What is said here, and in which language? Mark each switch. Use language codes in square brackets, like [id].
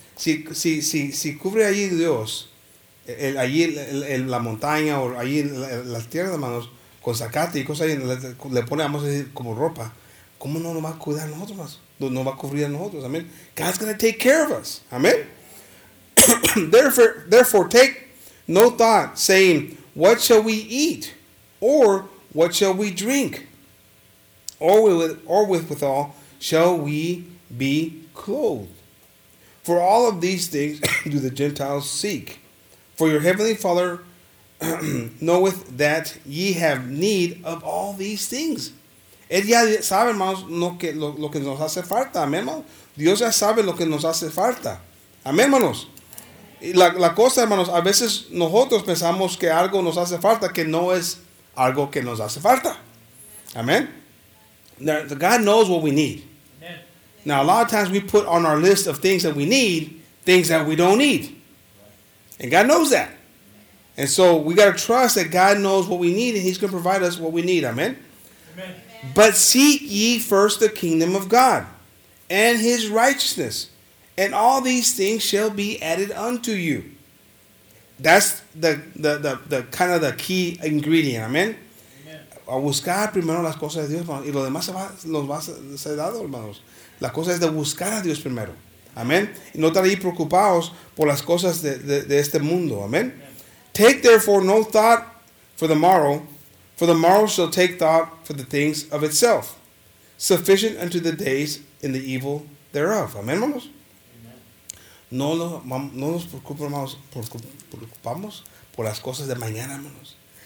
[es] Si cubre allí Dios, allí la montaña o allí las tierras, hermanos, con zacate y cosas ahí, le pone, vamos a decir, como ropa, ¿cómo no nos va a cuidar a nosotros más? No va a cubrir a nosotros. [en] Amen. God's going to take care of us. Amen. Therefore, take no thought, saying, what shall we eat? Or what shall we drink? Or withal, shall we be clothed? For all of these things do the Gentiles seek. For your heavenly Father knoweth that ye have need of all these things. [es] Él ya sabe, hermanos, lo que nos hace falta. Amén, hermanos. Dios ya sabe lo que nos hace falta. Amén, hermanos. La cosa, hermanos, a veces nosotros pensamos que algo nos hace falta que no es algo que nos hace falta. [en] Amén. God knows what we need. Amen. Now, a lot of times we put on our list of things that we need, things that we don't need. And God knows that. And so we got to trust that God knows what we need and he's going to provide us what we need. Amen? Amen. But seek ye first the kingdom of God and his righteousness, and all these things shall be added unto you. That's the kind of the key ingredient. Amen? [es] A buscar primero las cosas de Dios, hermanos, y lo demás los va a ser dado, hermanos. La cosa es de buscar a Dios primero. Amén. Y no estar ahí preocupados por las cosas de este mundo. Amén. [en] Take therefore no thought for the morrow shall take thought for the things of itself. Sufficient unto the days in the evil thereof. [es] Amén, hermanos. No nos preocupamos por las cosas de mañana, hermanos.